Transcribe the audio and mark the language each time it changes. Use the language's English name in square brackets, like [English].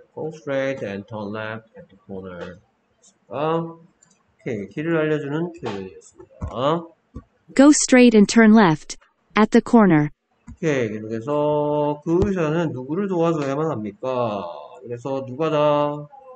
[English] Go straight and turn left at the corner. [Korean] 오케이, 길을 알려주는 표현이었습니다. [English] Go straight and turn left at the corner. [Korean] 오케이, 계속해서 그 의사는 누구를 도와줘야만 합니까? 그래서 누가다?